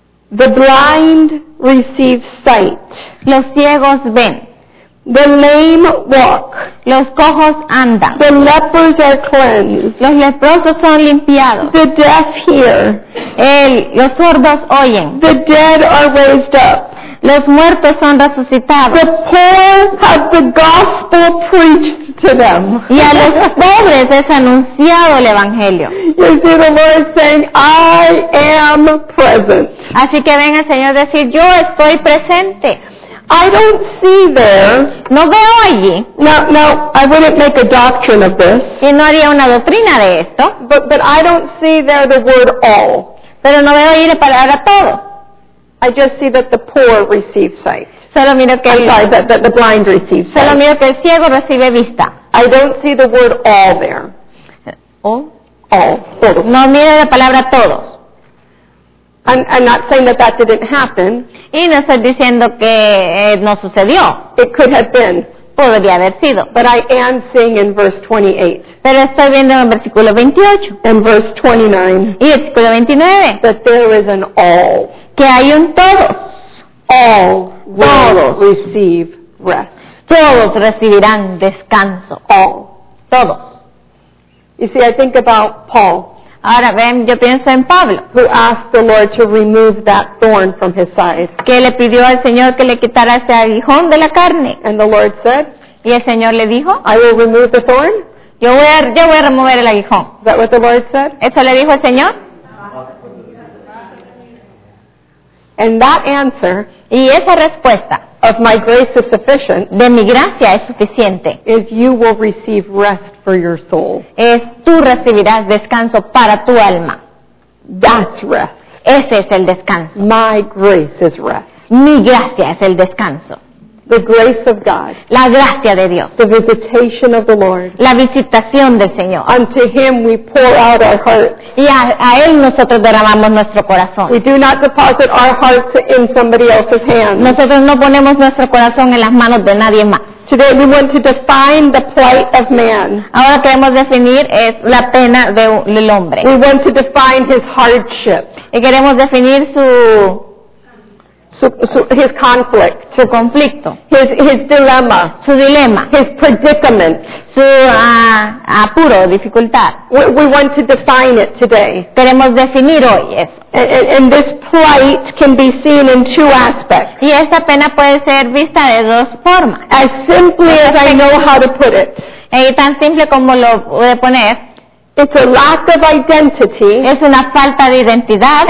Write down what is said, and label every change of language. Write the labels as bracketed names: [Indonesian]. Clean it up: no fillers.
[English] The blind receive sight. [Spanish] Los ciegos ven. [English] The lame walk. [Spanish] Los cojos andan. [English] The lepers are cleansed. [Spanish] Los leprosos son limpiados. [English] The deaf hear. [Spanish] Los sordos oyen. [English] The dead are raised up. [Spanish] Los muertos son resucitados. [English] The poor have the gospel preached to them. [Spanish] Y a los pobres es anunciado el evangelio. [English] You see the Lord saying, I am present. [Spanish] Así que ven el Señor decir, yo estoy presente. [English] I don't see there. [Spanish] No veo allí. [English] No, I wouldn't make a doctrine of this. [Spanish] Y no haría una doctrina de esto. [English] But I don't see there the word all. [Spanish] Pero no veo allí la palabra todo. [English] I just see that the poor receive sight. [Spanish] Solo miro que [English] that the blind receives sight. [Spanish] Solo miro que el ciego recibe vista. [English] I don't see the word all there. All. [Spanish] Todos. No miro la palabra todos. [English] I'm not saying that didn't happen. [Spanish] Y no estoy diciendo que no sucedió. [English] It could have been. [Spanish] Podría haber sido. [English] But I am seeing in verse 28. [Spanish] Pero estoy viendo en el versículo 28. [English] And verse 29. [Spanish] Y versículo 29. [English] That there is an all. [Spanish] Que hay un todos. [English] All will receive rest. [Spanish] Todos recibirán descanso. [English] All. [Spanish] Todos. [English] You see, I think about Paul. [Spanish] Ahora ven, yo pienso en Pablo. [English] Who asked the Lord to remove that thorn from his side. [Spanish] Que le pidió al Señor que le quitara ese aguijón de la carne. [English] And the Lord said. [Spanish] Y el Señor le dijo. [English] I will remove the thorn. [Spanish] Yo voy a remover el aguijón. [English] Is that what the Lord said? [Spanish] ¿Eso le dijo el Señor? [English] And that answer. [Spanish] Y esa respuesta. [English] Of my grace is sufficient. [Spanish] De mi gracia es suficiente. [English] Is you will receive rest for your soul. [Spanish] Es tú recibirás descanso para tu alma. [English] That's rest. [Spanish] Ese es el descanso. [English] My grace is rest. [Spanish] Mi gracia es el descanso. [English] The grace of God. [Spanish] La gracia de Dios. [English] The visitation of the Lord. [Spanish] La visitación del Señor. [English] Unto Him we pour out our hearts. [Spanish] Y a Él nosotros derramamos nuestro corazón. [English] We do not deposit our hearts in somebody else's hands. [Spanish] Nosotros no ponemos nuestro corazón en las manos de nadie más. [English] Today we want to define the plight of man. [Spanish] Ahora queremos definir es la pena del hombre. [English] We want to define his hardship. [Spanish] Y queremos definir su [English] His conflict, [Spanish] su conflicto, [English] his dilemma, [Spanish] su dilema, [English] his predicament, [Spanish] su apuro, dificultad. [English] We want to define it today. [Spanish] Queremos definir hoy eso. [English] And this plight can be seen in two aspects. [Spanish] Y esta pena puede ser vista de dos formas. [English] As simply as I know how to put it. [Spanish] Y tan simple como lo puede poner. [English] It's a lack of identity. [Spanish] Es una falta de identidad.